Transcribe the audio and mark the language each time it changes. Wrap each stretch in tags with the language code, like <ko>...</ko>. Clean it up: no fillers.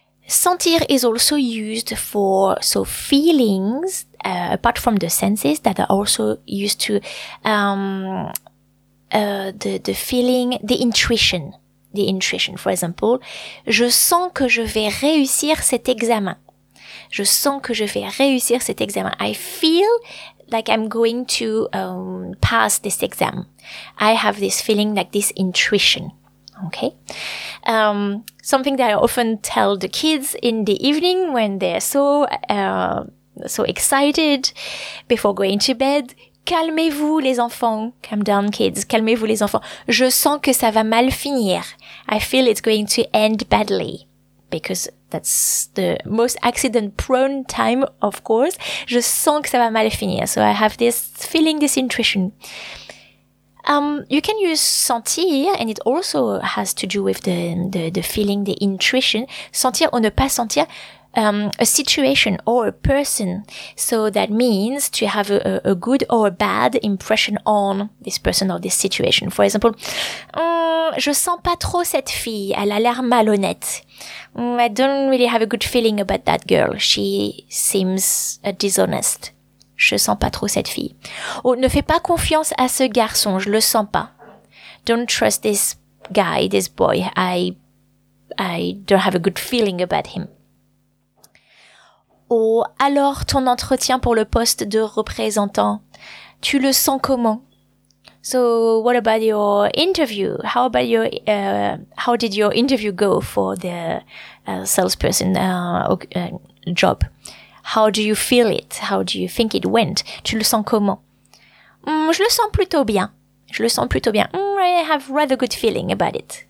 <en>Sentir is also used for so feelings apart from the senses that are also used to the feeling, the intuition. For example,</en> <fr>je sens que je vais réussir cet examen. Je sens que je vais réussir cet examen.</fr> <en>I feel like I'm going to pass this exam. I have this feeling, like this intuition. Okay? Something that I often tell the kids in the evening when they're so excited before going to bed.</en> <fr>Calmez-vous les enfants.</fr> <en>Calm down, kids.</en> <fr>Calmez-vous les enfants. Je sens que ça va mal finir.</fr> <en>I feel it's going to end badly. Because that's the most accident-prone time, of course.</en> <fr>Je sens que ça va mal finir.</fr> <en>So I have this feeling, this intuition. You can use sentir, and it also has to do with the feeling, the intuition.</en> <fr>Sentir ou ne pas sentir,</fr> <en>a situation or a person. So that means to have a good or a bad impression on this person or this situation. For example,</en> <fr>je sens pas trop cette fille. Elle a l'air malhonnête.</fr> <en>I don't really have a good feeling about that girl. She seems dishonest.</en> <fr>Je sens pas trop cette fille. Oh, ne fais pas confiance à ce garçon. Je le sens pas.</fr> <en>Don't trust this guy, this boy. I don't have a good feeling about him.</en> <fr>Oh, alors ton entretien pour le poste de représentant. Tu le sens comment?</fr> <en>So, what about your interview? How about your, how did your interview go for the salesperson job? How do you feel it? How do you think it went?</en> <fr>Tu le sens comment? Je le sens plutôt bien. Je le sens plutôt bien.</fr> <en>I have rather good feeling about it.</en>